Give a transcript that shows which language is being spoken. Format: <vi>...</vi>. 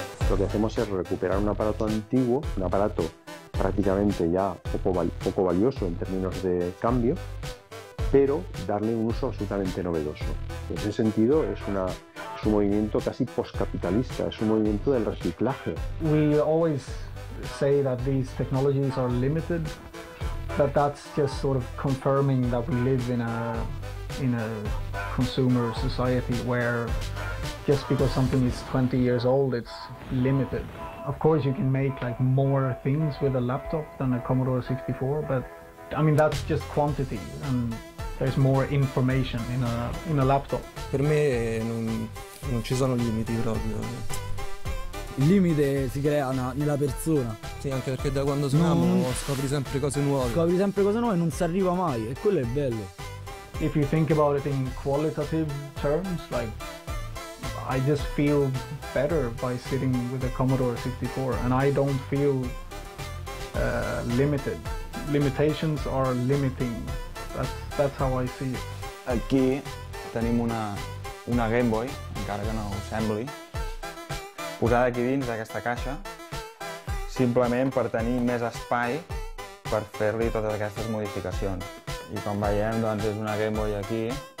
<es>Lo que hacemos es recuperar un aparato antiguo, un aparato prácticamente ya poco valioso en términos de cambio, pero darle un uso absolutamente novedoso. En ese sentido, es un movimiento casi postcapitalista, es un movimiento del reciclaje.</es> <en>We always say that these technologies are limited, but that's just sort of confirming that we live in a consumer society where just because something is 20 years old, it's limited. Of course, you can make like more things with a laptop than a Commodore 64, but I mean that's just quantity and there's more information in a laptop.</en> <it>Per me non ci sono limiti proprio. Il limite si crea nella persona. Sì, anche perché da quando suoniamo scopri sempre cose nuove. Scopri sempre cose nuove e non si arriva mai, e quello è bello.</it> <en>If you think about it in qualitative terms, like I just feel better by sitting with a Commodore 64 and I don't feel limited. Limitations are limiting. That's how I see it.</en> <ca>Aquí tenim una Game Boy, encara que no ho sembli, posada aquí dins d'aquesta caixa, simplement per tenir més espai per fer-li totes aquestes modificacions. I com veiem, doncs és una Game Boy aquí,</ca>